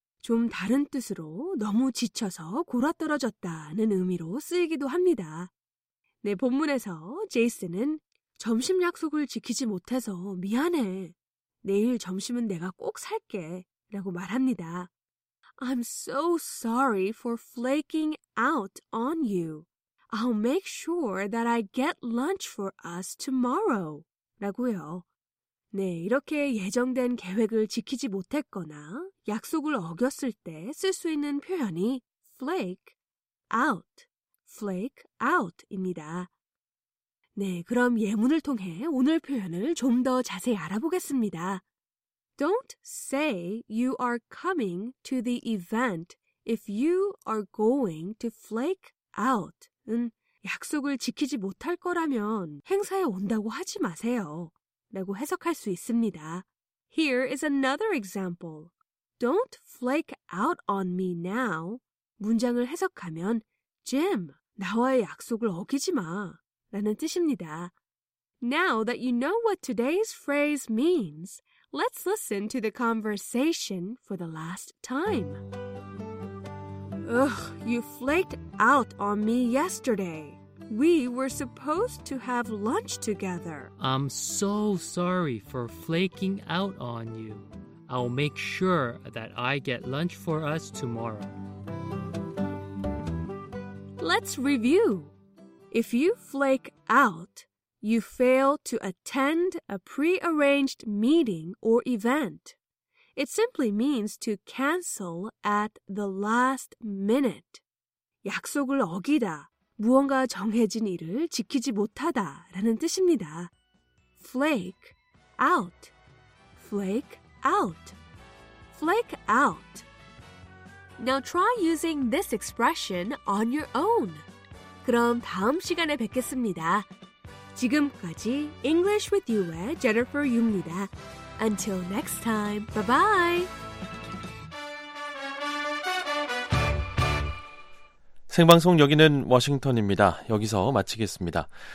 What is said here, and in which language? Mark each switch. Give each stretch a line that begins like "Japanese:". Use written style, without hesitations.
Korean: 좀 다른 뜻으로 너무 지쳐서 골아떨어졌다는 의미로 쓰이기도 합니다. 네, 본문에서 제이슨은 점심 약속을 지키지 못해서 미안해. 내일 점심은 내가 꼭 살게 라고 말합니다.
English: I'm so sorry for flaking out on you. I'll make sure that I get lunch for us tomorrow.
Korean: 라고요. 네, 이렇게 예정된 계획을 지키지 못했거나 약속을 어겼을 때 쓸 수 있는 표현이 flake out, flake out입니다. 네, 그럼 예문을 통해 오늘 표현을 좀 더 자세히 알아보겠습니다.
English: Don't say you are coming to the event if you are going to flake out.
Korean: 약속을 지키지 못할 거라면 행사에 온다고 하지 마세요. 라고 해석할 수 있습니다.
English: Here is another example. Don't flake out on me now.
Korean: 문장을 해석하면 Jim, 나와의 약속을 어기지 마. 라는 뜻입니다.
English: Now that you know what today's phrase means, let's listen to the conversation for the last time. Ugh, you flaked out on me yesterday. We were supposed to have lunch together. I'm so sorry for flaking out on you. I'll make sure that I get lunch for us tomorrow. Let's review. If you flake out, you fail to attend a prearranged meeting or event. It simply means to cancel at the last minute.
Korean: 약속을 어기다, 무언가 정해진 일을 지키지 못하다 라는 뜻입니다.
English: Flake out. Flake out. Flake out. Now try using this expression on your own.
Korean: 그럼 다음 시간에 뵙겠습니다. 지금까지 English with You의 Jennifer Yu입니다.
English: Until next time, bye-bye!
Korean: 생방송 여기는 워싱턴입니다. 여기서 마치겠습니다.